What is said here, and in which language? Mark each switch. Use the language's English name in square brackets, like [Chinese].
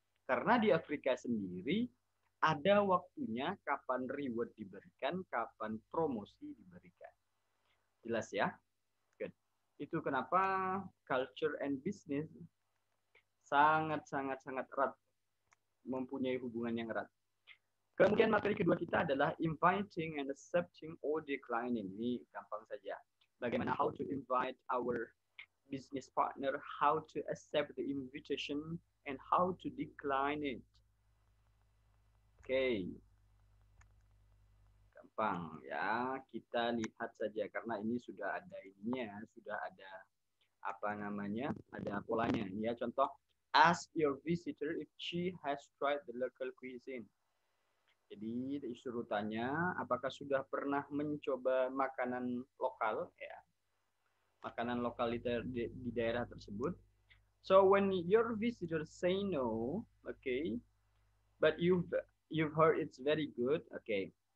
[Indonesian] Karena di Afrika sendiri ada waktunya kapan reward diberikan, kapan promosi diberikan. Jelas ya? Good. Itu kenapa [English] culture and business [Indonesian] sangat-sangat-sangat erat, mempunyai hubungan yang erat. Kemudian materi kedua kita adalah [English] inviting and accepting or declining. [Indonesian] Ini gampang saja. Bagaimana [English] how to invite our business partner, how to accept the invitation, and how to decline it. Okay. [Indonesian] Gampang ya, kita lihat saja karena ini sudah ada ininya, sudah ada apa namanya? Ada polanya. Ya, contoh [English] ask your visitor if she has tried the local cuisine. [Indonesian] Jadi, disuruh tanya apakah sudah pernah mencoba makanan lokal ya. Makanan lokal di daerah tersebut. [English] So when your visitors say no, okay, but you've heard it's very good, okay.